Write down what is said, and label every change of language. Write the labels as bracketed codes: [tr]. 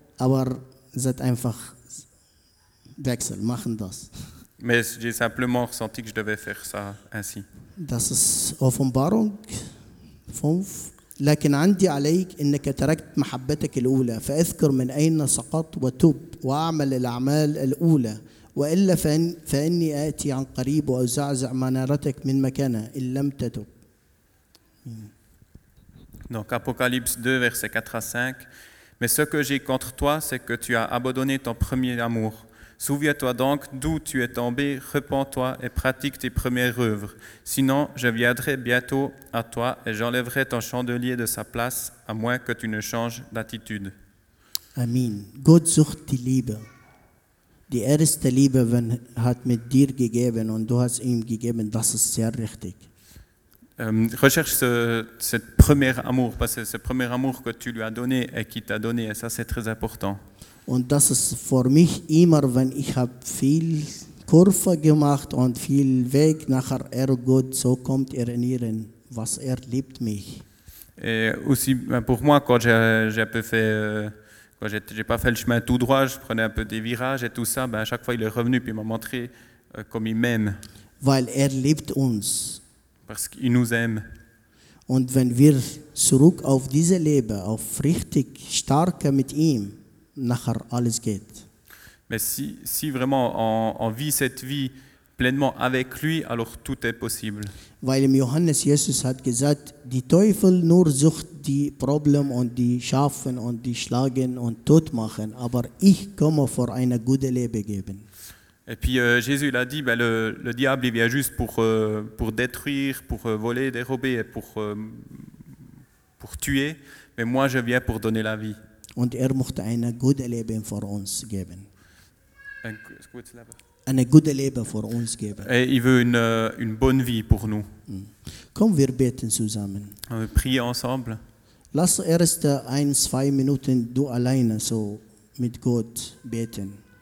[de] Aber seid einfach wechsel, machen das. [fr] Mais j'ai simplement ressenti que je devais faire ça ainsi. [de] Das ist Offenbarung 5. [ar] لكن عندي عليك انك تركت محبتك الاولى فاذكر من اين سقطت وتوب واعمل الاعمال الاولى والا فاني اتي عن قريب وازعزع منارتك من مكانها ان لم تتب. [fr] Donc Apocalypse 2 verset 4 à 5. Mais ce que j'ai contre toi, c'est que tu as abandonné ton premier amour. Souviens-toi donc d'où tu es tombé, repens-toi et pratique tes premières œuvres. Sinon, je viendrai bientôt à toi et j'enlèverai ton chandelier de sa place, à moins que tu ne changes d'attitude. [de] Amen. Gott sucht die Liebe. Die erste Liebe hat mit dir gegeben und du hast ihm gegeben, das ist sehr richtig. [fr] Recherche ce premier amour, parce que ce premier amour que tu lui as donné et qui t'a donné, et ça c'est très important. [de] Und das ist für mich immer, wenn ich habe viel Kurve gemacht und viel Weg nachher, Gott, so kommt erinnern, was liebt mich. [fr] Et aussi pour moi, quand j'ai pas fait le chemin tout droit, je prenais un peu des virages et tout ça, ben à chaque fois il est revenu puis il m'a montré comme il m'aime. [de] Weil liebt uns. [fr] Parce qu'il nous aime. [de] Und wenn wir zurück auf diese Leben, auf richtig starke mit ihm, nachher alles geht. [fr] Mais si vraiment on vit cette vie pleinement avec lui, alors tout est possible. [de] Weil im Johannes Jesus hat gesagt, die Teufel nur sucht die Probleme und die Schafen und die Schlagen und Tod machen, aber ich komme für ein gutes Leben geben. [fr] Et puis Jésus l'a dit, ben le diable il vient juste pour détruire, pour voler, dérober et pour pour tuer, mais moi je viens pour donner la vie. [de] Und möchte ein gutes Leben für uns geben. [fr] Et il veut une bonne vie pour nous. [de] Comme wir beten zusammen. [fr] On va prier ensemble. [de] Lass erst ein, zwei Minuten du alleine so mit Gott beten.